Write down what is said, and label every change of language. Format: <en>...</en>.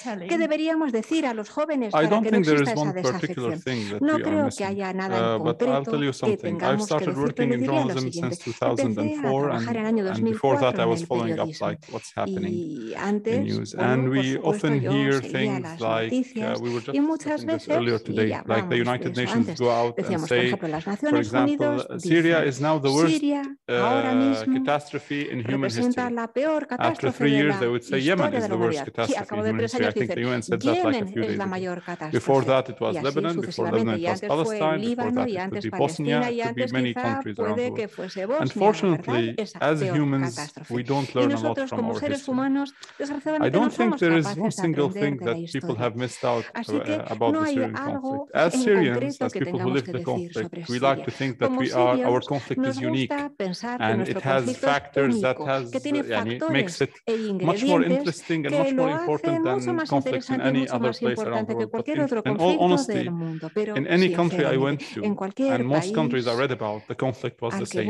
<es>¿Qué deberíamos decir a los jóvenes para que no exista esa desafección? No creo que haya nada en concreto que tengamos que decir, pero diría lo siguiente. Empecé a trabajar en el año 2004 en el periodismo. Y antes, por supuesto, yo seguía las noticias. Y muchas veces,</es> <en>earlier today, ya, like the United Nations go out and say, for example, Syria is now the worst catastrophe in human history. After 3 years, they would say Yemen is the worst catastrophe in human history. I think the UN said that like a few days ago. Before that, it was Lebanon. Before Lebanon, it was Palestine. Before that, it could be Bosnia. It could be many countries around the world. Unfortunately, as humans, we don't learn a lot from our history. I don't think there is one single thing that people have missed out</en> <es>Así que no hay algo en concreto que tengamos que decir sobre Siria.</es> <en>We like to think that we are, our conflict is unique, and it has factors that has, and it makes it much more interesting and much more important than conflicts in any other place around the world. But in all honesty, in any country I went to, and most countries I read about, the conflict was the same.</en>